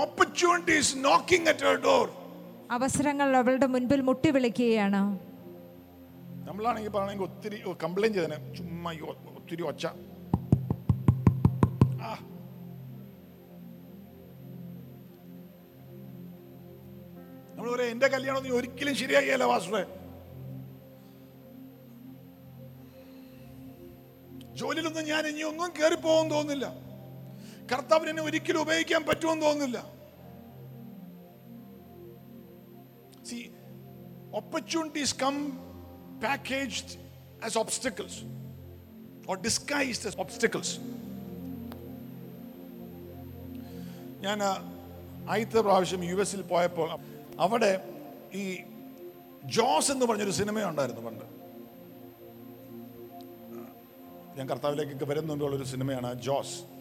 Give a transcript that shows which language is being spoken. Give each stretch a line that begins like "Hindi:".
English: opportunity is knocking at our door.
Malayalam: അവസരങ്ങൾ അവളുടെ മുൻപിൽ മുട്ടി വിളിക്കുകയാണ്. നമ്മളാണെങ്കിൽ പറയണെങ്കിൽ ഒത്തിരി കംപ്ലൈന്റ് ചെയ്തേനെ, ചുമ്മാ ഒത്തിരി ഒച്ച. എന്റെ കല്യാണം ഒന്നും ഒരിക്കലും ശരിയാകിയല്ല വാസുടെ, ജോലിയിലൊന്നും ഞാൻ ഇനിയൊന്നും കേറിപ്പോകാൻ തോന്നുന്നില്ല, കർത്താവിന് എന്നെ ഒരിക്കലും ഉപയോഗിക്കാൻ പറ്റുമെന്ന് തോന്നുന്നില്ല.
English: See, opportunities come packaged as obstacles or disguised as obstacles.
Malayalam: ഞാൻ ആദ്യത്തെ പ്രാവശ്യം യു എസിൽ പോയപ്പോൾ അവിടെ ഈ ജോസ് എന്ന് പറഞ്ഞൊരു സിനിമയുണ്ടായിരുന്നു. പണ്ട് ഞാൻ കർത്താവിലേക്കൊക്കെ വരുന്നുണ്ടുള്ളൊരു സിനിമയാണ് ജോസ്.